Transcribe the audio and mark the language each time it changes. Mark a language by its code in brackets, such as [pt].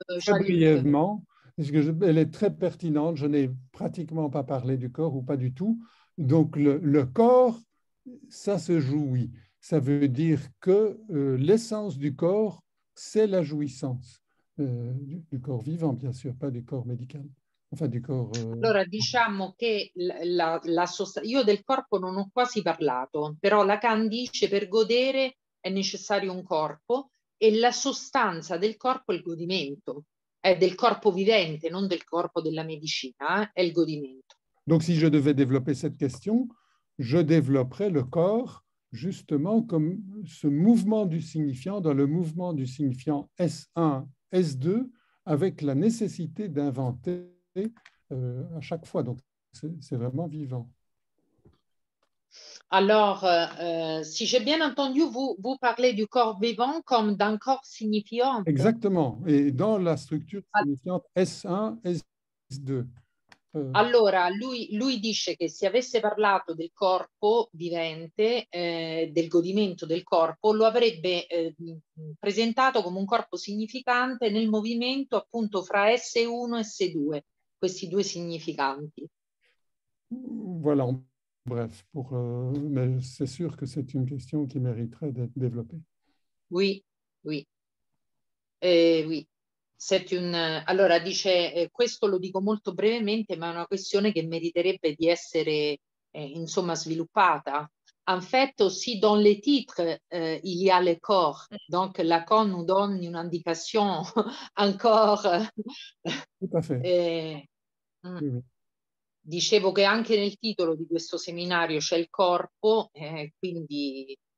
[fr] très brièvement, parce que elle est très pertinente, je n'ai pratiquement pas parlé du corps ou pas du tout, donc le corps, ça se joue, oui. Ça veut dire que l'essence du corps, c'est la jouissance du corps vivant, bien sûr, pas du corps médical, enfin du corps... [it] Allora, diciamo che la sostanza... Io del corpo non ho quasi parlato, però Lacan dice per godere è necessario un corpo e la sostanza del corpo è il godimento, è del corpo vivente, non del corpo della medicina, è il godimento. [fr] Donc si je devais développer cette question, je développerais le corps... Justement, comme ce mouvement du signifiant dans le mouvement du signifiant S1, S2, avec la nécessité d'inventer à chaque fois. Donc, c'est vraiment vivant. Alors, si j'ai bien entendu, vous parlez du corps vivant comme d'un corps signifiant. Exactement. Et dans la structure signifiante S1, S2. [it] Allora, lui dice che se avesse parlato del corpo vivente, del godimento del corpo, lo avrebbe presentato come un corpo significante nel movimento appunto fra S1 e S2, questi due significanti. [fr] Voilà, bref, [it] ma è sûr che c'è una questione che [fr] mériterait d'être développée. Oui, oui. Oui. [it] Allora dice, questo lo dico molto brevemente, ma è una questione che meriterebbe di essere insomma sviluppata. [fr] En fait, aussi dans les titres, il y a le corps. Donc Lacan nous donne une indication encore. Tout à fait. [it] Dicevo che anche nel titolo di questo seminario c'è il corpo, quindi.